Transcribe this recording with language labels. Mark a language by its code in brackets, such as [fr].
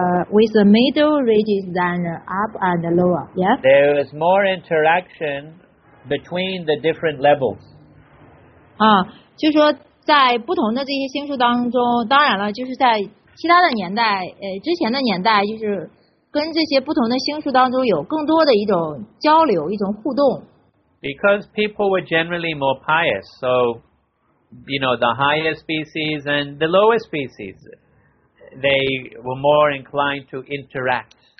[en] with the middle ranges than the up and the lower, yeah? There is more interaction between the different levels. [zh] 啊，就是说在不同的这些星宿当中，当然了，就是在其他的年代，之前的年代，就是跟这些不同的星宿当中有更多的一种交流，一种互动。 [en] Because people were generally more pious, so you know the higher species and the lower species, they were more inclined to interact.